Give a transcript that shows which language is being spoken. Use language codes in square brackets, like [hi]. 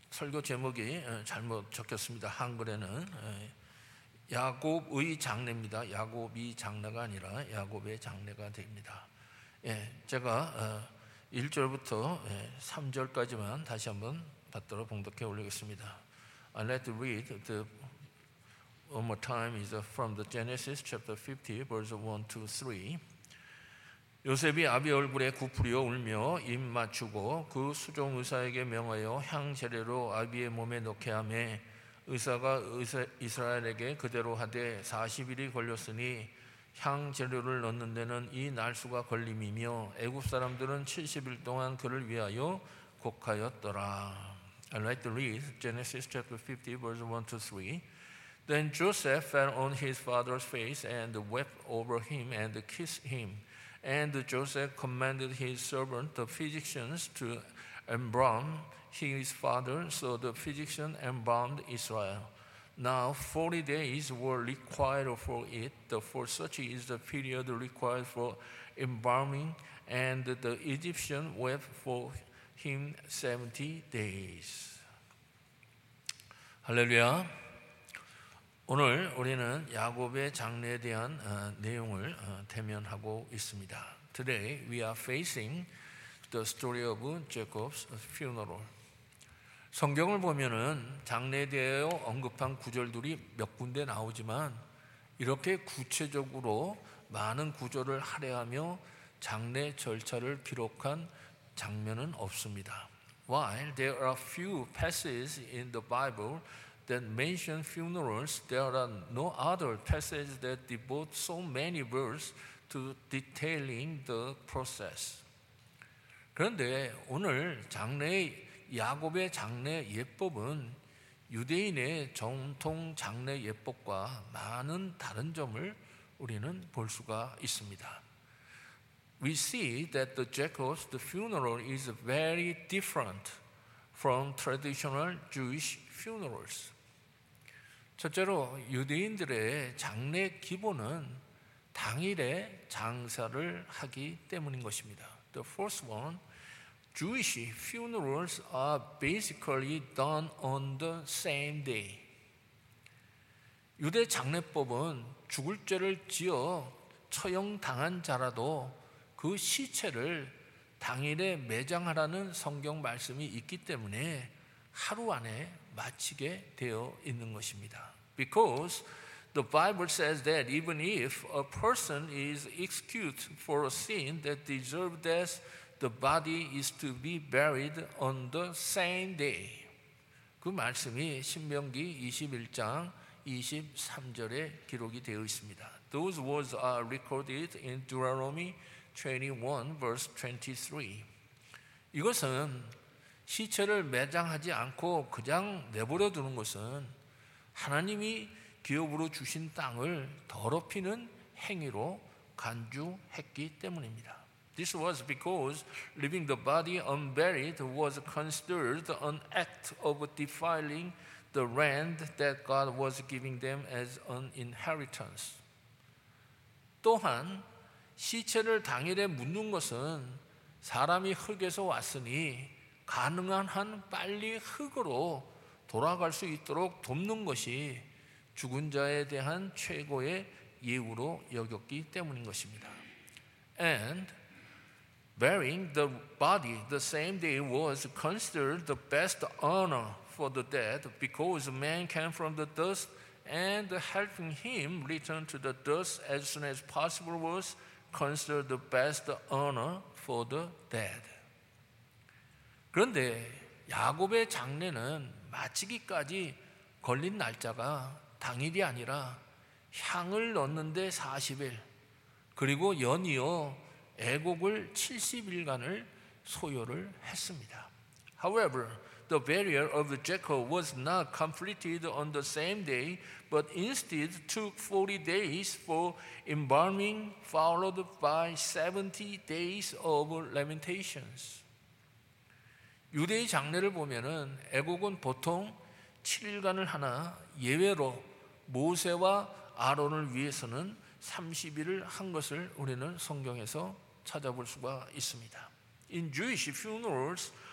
[ko] 설교 제목이 잘못 적혔습니다. 한글에는 야곱의 장례입니다. 야곱이 장례가 아니라 야곱의 장례가 됩니다. 예, 제가 1절부터 3절까지만 다시 한번 받들어 봉독해 올리겠습니다. [en] I'd like to read the one more time is from the Genesis chapter 50 verse 1 to 3. [ko] 요셉이 아비 얼굴에 굽히어 울며 입 맞추고 그 수종 의사에게 명하여 향재료로 아비의 몸에 넣게 하매 의사가 이스라엘에게 그대로 하되 40일이 걸렸으니 향재료를 넣는 데는 이 날수가 걸림이며 애굽 사람들은 70일 동안 그를 위하여 곡하였더라. [en] I'd like to read Genesis chapter 50 verse 1 to 3. Then Joseph fell on his father's face and wept over him and kissed him. And Joseph commanded his servant, the physicians, to embalm his father. So the physician embalmed Israel. Now 40 days were required for it, for such is the period required for embalming. And the Egyptian wept for him 70 days. Hallelujah. [ko] 오늘 우리는 야곱의 장례에 대한 내용을 대면하고 있습니다. [en] Today we are facing the story of Jacob's funeral. [ko] 성경을 보면은 장례에 대해 언급한 구절들이 몇 군데 나오지만 이렇게 구체적으로 많은 구절을 할애하며 장례 절차를 기록한 장면은 없습니다. [en] While there are few passages in the Bible that mention funerals, there are no other passages that devote so many verses to detailing the process. [ko] 그런데 오늘 야곱의 장례 예법은 유대인의 전통 장례 예법과 많은 다른 점을 우리는 볼 수가 있습니다. [en] We see that the Jacob's the funeral is very different from traditional Jewish funerals. [ko] 첫째로 유대인들의 장례 기본은 당일에 장사를 하기 때문인 것입니다. [en] The first one, Jewish funerals are basically done on the same day. [ko] 유대 장례법은 죽을 죄를 지어 처형당한 자라도 그 시체를 당일에 매장하라는 성경 말씀이 있기 때문에 하루 안에 마치게 되어 있는 것입니다. [en] Because the Bible says that even if a person is executed for a sin that deserves death, the body is to be buried on the same day. [ko] 그 말씀이 신명기 21장 23절에 기록이 되어 있습니다. [en] Those words are recorded in Deuteronomy 21 verse 23. [ko] 이것은 시체를 매장하지 않고 그냥 내버려 두는 것은 하나님이 기업으로 주신 땅을 더럽히는 행위로 간주했기 때문입니다. [en] This was because leaving the body unburied was considered an act of defiling the land that God was giving them as an inheritance. [ko] 또한 시체를 당일에 묻는 것은 사람이 흙에서 왔으니 가능한 한 빨리 흙으로 돌아갈 수 있도록 돕는 것이 죽은 자에 대한 최고의 예우로 여겼기 때문인 것입니다. [en] And burying the body the same day was considered the best honor for the dead because man came from the dust and helping him return to the dust as soon as possible was considered the best honor for the dead. [ko] 그런데 야곱의 장례는 마치기까지 걸린 날짜가 당일이 아니라 향을 넣는데 40일 그리고 연이어 애곡을 70일간을 소요를 했습니다. [en] However, the burial of Jacob was not completed on the same day but instead took 40 days for embalming followed by 70 days of lamentations. [ko] 유대의 장례를 보면은 애곡은 보통 7일간을 하나 예외로 모세와 아론을 위해서는 30일을 한 것을 우리는 성경에서 찾아볼 수가 있습니다. [en] In Jewish funerals,